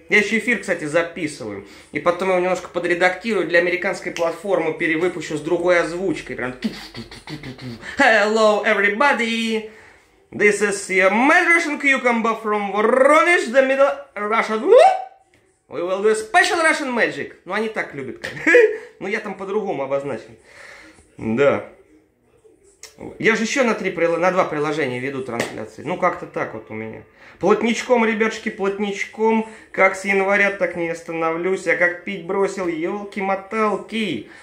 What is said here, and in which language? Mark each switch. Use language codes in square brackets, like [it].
[ru] Я еще эфир, кстати, записываю. И потом его немножко подредактирую. Для американской платформы перевыпущу с другой озвучкой. Прям... [en] Hello, everybody! This is your main Russian cucumber from Voronezh, the middle Russian... We will do special Russian magic. [ru] Ну, они так любят. Ну, я там по-другому обозначен. Да. Я же еще на два приложения веду трансляции. Ну, как-то так вот у меня. Плотничком, ребятушки, плотничком. Как с января, так не остановлюсь. А как пить бросил, елки-моталки.